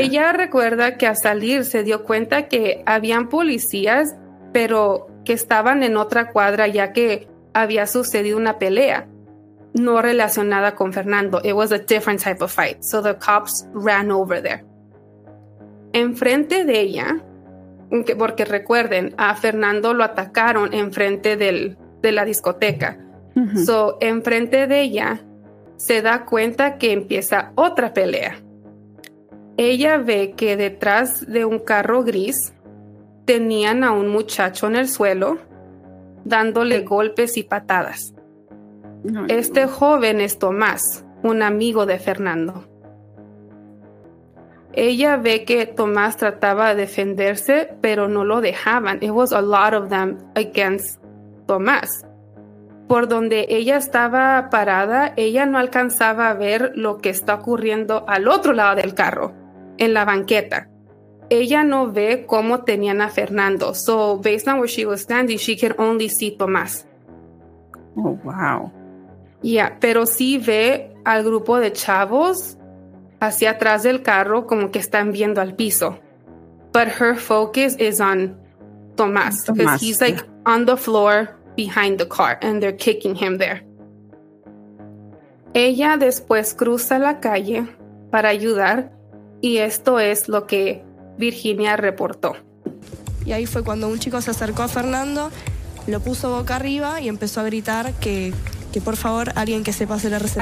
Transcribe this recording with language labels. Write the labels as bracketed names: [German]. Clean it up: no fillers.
[Spanish] Ella recuerda que al salir se dio cuenta que habían policías, pero que estaban en otra cuadra ya que había sucedido una pelea no relacionada con Fernando. [English] It was a different type of fight, so the cops ran over there. [Spanish] Enfrente de ella, porque recuerden, a Fernando lo atacaron enfrente de la discoteca. Mm-hmm. So, enfrente de ella, se da cuenta que empieza otra pelea. Ella ve que detrás de un carro gris tenían a un muchacho en el suelo dándole golpes y patadas. Este joven es Tomás, un amigo de Fernando. Ella ve que Tomás trataba de defenderse, pero no lo dejaban. [English] It was a lot of them against Tomás. [Spanish] Por donde ella estaba parada, ella no alcanzaba a ver lo que está ocurriendo al otro lado del carro, en la banqueta. Ella no ve cómo tenían a Fernando. [English] So, based on where she was standing, she could only see Tomás. Oh, wow. [Spanish] Yeah, pero sí ve al grupo de chavos hacia atrás del carro, como que están viendo al piso. [English] But her focus is on Tomás, because he's like on the floor behind the car and they're kicking him there. [Spanish] Ella después cruza la calle para ayudar y esto es lo que Virginia reportó. Y ahí fue cuando un chico se acercó a Fernando, lo puso boca arriba y empezó a gritar que por favor alguien que sepa hacer la receta